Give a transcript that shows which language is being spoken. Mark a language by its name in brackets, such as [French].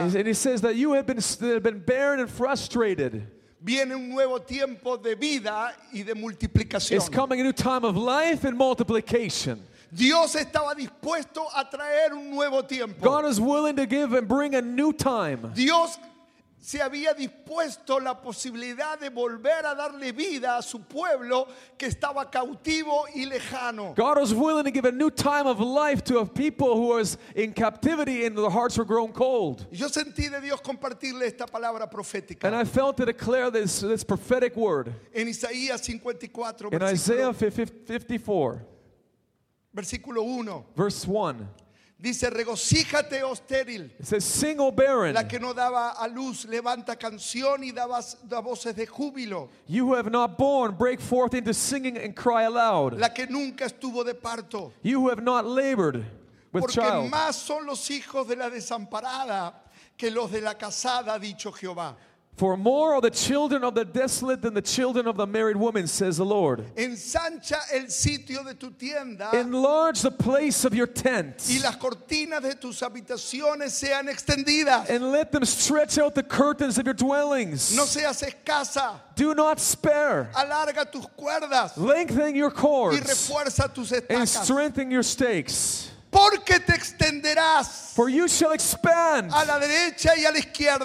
[English] And he says that you have been barren and frustrated. [Spanish] Viene un nuevo tiempo de vida y de multiplicación. [English] It's coming a new time of life and multiplication. [Spanish] Dios estaba dispuesto a traer un nuevo tiempo. [English] God is willing to give and bring a new time. [Spanish] Dios se había dispuesto la posibilidad de volver a darle vida a su pueblo que estaba cautivo y lejano. [English] God was willing to give a new time of life to a people who was in captivity and their hearts were grown cold. [Spanish] Yo sentí de Dios compartirle esta palabra profética. [English] And I felt to declare this prophetic word. [Spanish] En Isaías 54. [English] In Isaiah 54. [Spanish] Versículo 1. [English] Verse 1. [Spanish] Dice, regocíjate, oh estéril. [English] It says, sing, oh barren. [Spanish] La que no daba a luz, levanta canción y da voces de júbilo. [English] You who have not born, break forth into singing and cry aloud. [Spanish] La que nunca estuvo de parto. [English] You who have not labored with [Spanish] Porque [English] child. [Spanish] Porque más son los hijos de la desamparada que los de la casada, dicho Jehová. [English] For more are the children of the desolate than the children of the married woman, says the Lord. [Spanish] Ensancha el sitio de tu tienda. [English] Enlarge the place of your tent. [Spanish] Y las cortinas de tus habitaciones sean extendidas. [English] And let them stretch out the curtains of your dwellings. [Spanish] No seas escasa. [English] Do not spare. [Spanish] Alarga tus cuerdas. [English] Lengthen your cords. [Spanish] Y refuerza tus estacas. [English] And strengthen your stakes. [Spanish] Porque te extenderás. [English] For you shall expand. [Spanish] A la derecha y a la izquierda.